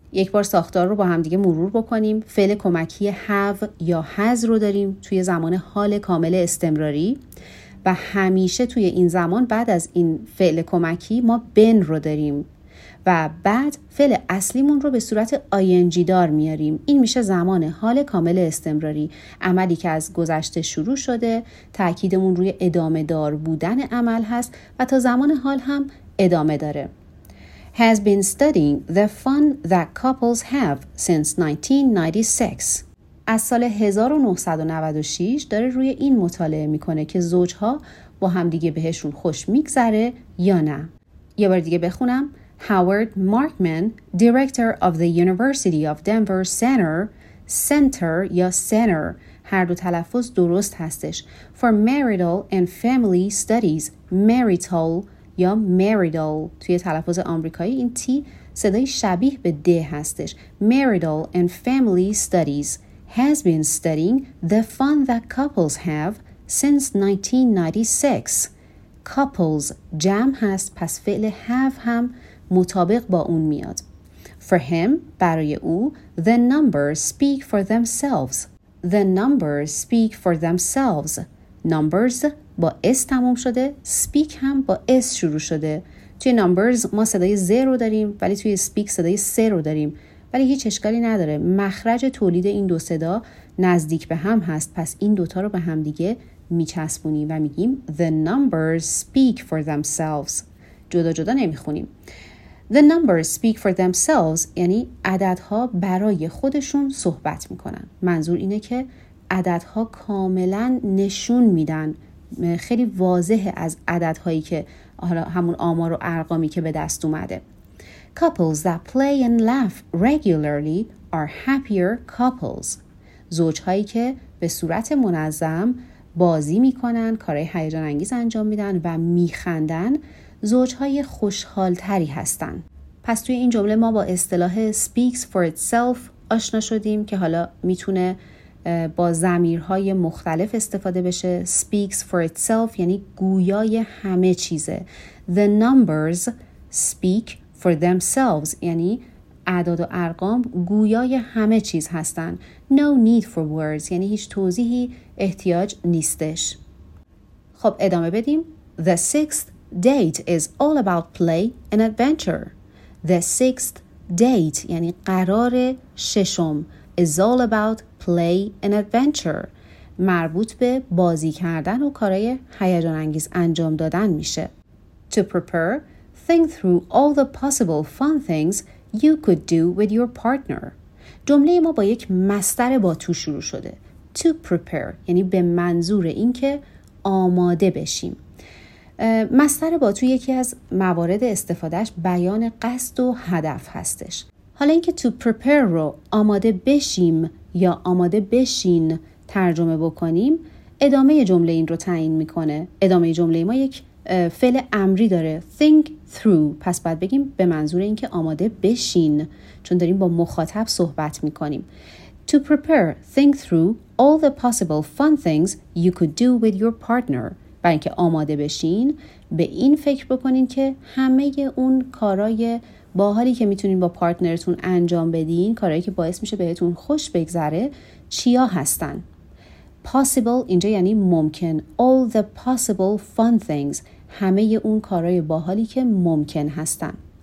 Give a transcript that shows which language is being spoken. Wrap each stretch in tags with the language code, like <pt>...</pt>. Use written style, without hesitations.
<fa>یک بار ساختار رو با هم دیگه مرور بکنیم. فعل کمکی have یا has رو داریم توی زمان حال کامل استمراری و همیشه توی این زمان بعد از این فعل کمکی ما been رو داریم و بعد فعل اصلیمون رو به صورت ing دار میاریم. این میشه زمان حال کامل استمراری، عملی که از گذشته شروع شده، تاکیدمون روی ادامه دار بودن عمل هست و تا زمان حال هم ادامه داره.</fa> <en>Has been studying the fun that couples have since 1996.</en> <fa>از سال 1996 داره روی این مطالعه میکنه که زوجها با همدیگه بهشون خوش میگذره یا نه. یه بار دیگه بخونم.</fa> <en>Howard Markman, Director of the University of Denver Center</en> <fa>یا Center، هر دو تلفظ درست هستش.</fa> <en>For Marital and Family Studies،</en> <fa>Marital یا Marital، توی تلفظ آمریکایی این تی صدای شبیه به د هستش.</fa> <en>Marital and Family Studies has been studying the fun that couples have since 1996.</en> <fa>Couples جمع هست، پس فعل have هم مطابق با اون میاد.</fa> <en>For him</en> <fa>برای او</fa> <en>the numbers speak for themselves. The numbers speak for themselves.</en> <fa>Numbers با s تموم شده، speak هم با s شروع شده. توی numbers ما صدای ز رو داریم ولی توی speak صدای س رو داریم. ولی هیچ اشکالی نداره، مخرج تولید این دو صدا نزدیک به هم هست، پس این دوتا رو به هم دیگه میچسبونیم و میگیم</fa> <en>The numbers speak for themselves.</en> <fa>جدا جدا نمیخونیم.</fa> <en>The numbers speak for themselves</en> <fa>یعنی عددها برای خودشون صحبت میکنن. منظور اینه که عددها کاملا نشون میدن، خیلی واضحه از عددهایی که حالا همون آمار و ارقامی که به دست اومده.</fa> <en>Couples that play and laugh regularly are happier couples.</en> <fa>زوجهایی که به صورت منظم بازی میکنن، کارهای هیجان انگیز انجام میدن و میخندن، زوجهای خوشحال تری هستن. پس توی این جمله ما با اصطلاح</fa> <en>speaks for itself</en> <fa>آشنا شدیم که حالا میتونه با ضمیرهای مختلف استفاده بشه.</fa> <en>speaks for itself</en> <fa>یعنی گویای همه چیزه.</fa> <en>The numbers speak for themselves</en> <fa>یعنی اعداد و ارقام گویای همه چیز هستن.</fa> <en>No need for words</en> <fa>یعنی هیچ توضیحی احتیاج نیستش. خب ادامه بدیم.</fa> <en>The sixth date is all about play and adventure. The sixth date</en> <fa>یعنی قرار ششم</fa> <en>is all about play and adventure.</en> <fa>مربوط به بازی کردن و کارهای هیجان انگیز انجام دادن میشه.</fa> <en>To prepare, think through all the possible fun things you could do with your partner.</en> <fa>جمله ما با یک مصدر با تو شروع شده.</fa> <en>To prepare</en> <fa>یعنی به منظور اینکه آماده بشیم. مصدر با تو یکی از موارد استفادهش بیان قصد و هدف هستش. حالا اینکه</fa> <en>to prepare</en> <fa>رو آماده بشیم یا آماده بشین ترجمه بکنیم، ادامه جمله این رو تعیین میکنه. ادامه جمله ما یک فعل امری داره،</fa> <en>think through،</en> <fa>پس باید بگیم به منظور اینکه آماده بشین، چون داریم با مخاطب صحبت میکنیم.</fa> <en>To prepare, think through all the possible fun things you could do with your partner.</en> <fa>برای اینکه آماده بشین به این فکر بکنین که همه اون کارای باحالی که میتونین با پارتنرتون انجام بدین، کارایی که باعث میشه بهتون خوش بگذره، چیا هستن. possible اینجا یعنی ممکن.</fa> <en>all the possible fun things</en> <fa>همه اون کارای باحالی که ممکن هستن.</fa>